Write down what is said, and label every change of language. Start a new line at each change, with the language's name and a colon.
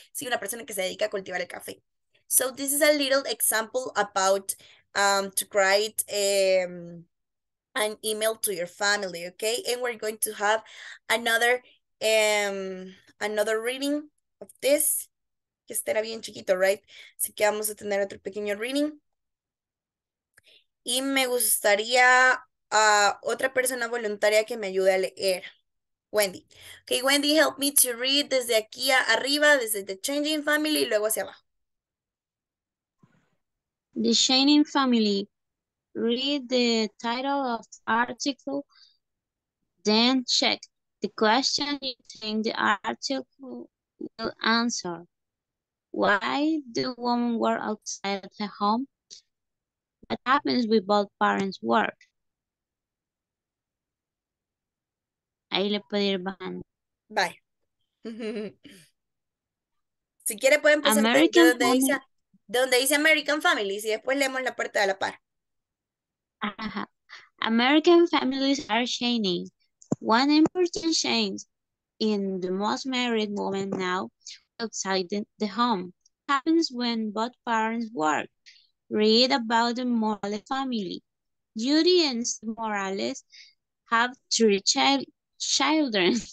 Spanish: Sí, una persona que se dedica a cultivar el café.
English: So this is a little example about to write an email to your family, okay? And we're going to have another reading of this.
Spanish: Que estará bien chiquito, right? Así que vamos a tener otro pequeño reading. Y me gustaría otra persona voluntaria que me ayude a leer. Wendy. Okay, Wendy,
English: help me to read
Spanish: desde aquí arriba, desde The Changing Family, y luego hacia abajo.
English: The Changing Family. Read the title of the article, then check the question in the article will answer. Why do women work outside the home? What happens with both parents' work?
Spanish: Ahí le puede ir bajando.
English: Bye.
Spanish: Si quiere pueden empezar
English: American
Spanish: donde dice American Families y después leemos la parte de la par.
English: American families are changing. One important change in the most married women now outside the home happens when both parents work. Read about the Morales family. Judy and Morales have three children.